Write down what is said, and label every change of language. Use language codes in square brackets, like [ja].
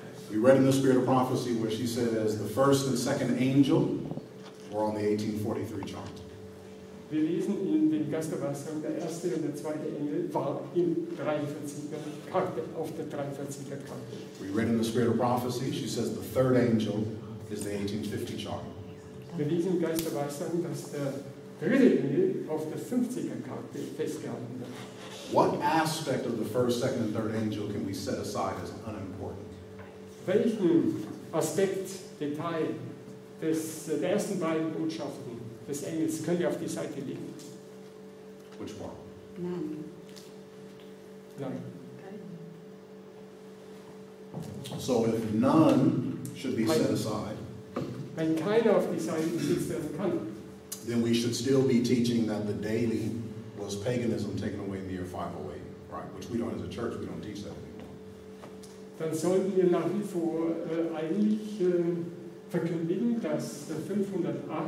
[en] We read in the Spirit of Prophecy where she says the first and second angel were on the 1843 chart. [de] Wir lesen in den Geisterweissagungen, der erste und der zweite Engel war in 43er Karte, auf der 43er Karte. [en] We read in the Spirit of Prophecy, she says the third angel is the 1850 chart. [de] Wir lesen in Geisterweissagungen, dass der dritte Engel auf der 50er Karte festgehalten wird. [en] What aspect of the first, second, and third angel can we set aside as unimportant? [de] Welchen Aspekt, Detail der ersten beiden Botschaften des Engels können wir auf die Seite legen? [en] Which one? None. So if none should be set aside, [de] wenn keiner auf die Seite gesetzt werden kann, [en] then we should still be teaching that the daily was paganism taken away in the year 508, right? Which we don't, as a church, we don't teach that anymore. [de] Dann sollten wir nach wie vor eigentlich verkündigen, dass der 508